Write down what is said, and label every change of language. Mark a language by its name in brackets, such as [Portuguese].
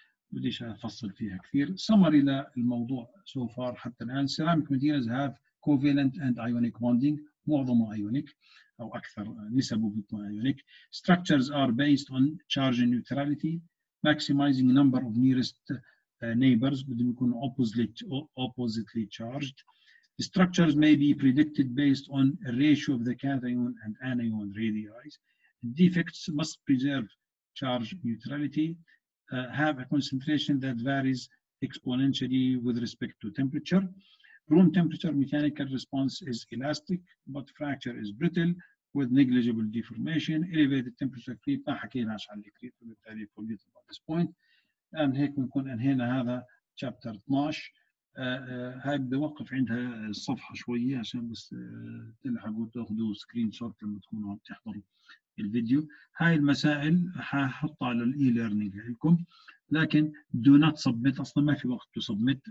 [Arabic] بديش افصل فيها كثير. سمري للموضوع [English] so far [Arabic] حتى الان، [English] ceramic materials have covalent and ionic bonding, [Arabic] معظمه ايونيك او اكثر نسبه بيكون ايونيك. [English] structures are based on charge neutrality, maximizing number of nearest neighbors [Arabic] بدهم يكونوا [English] oppositely charged. The structures may be predicted based on ratio of the cation and anion radii. Defects must preserve charge neutrality. Have a concentration that varies exponentially with respect to temperature. Room temperature mechanical response is elastic, but fracture is brittle with negligible deformation. Elevated temperature creep [Arabic] ما حكيناش عن الكريب بالتالي [English] forget about this point. [Arabic] الآن هيك بنكون انهينا هذا chapter 12. هاي بدي اوقف عندها الصفحة شوية عشان بس تلحقوا تاخذوا سكرين شوت لما تكونوا عم تحضروا الفيديو. هاي المسائل ححطها على الاي ليرنينج لكم، لكن [English] do not submit، [Arabic] اصلا ما في وقت [English] to submit.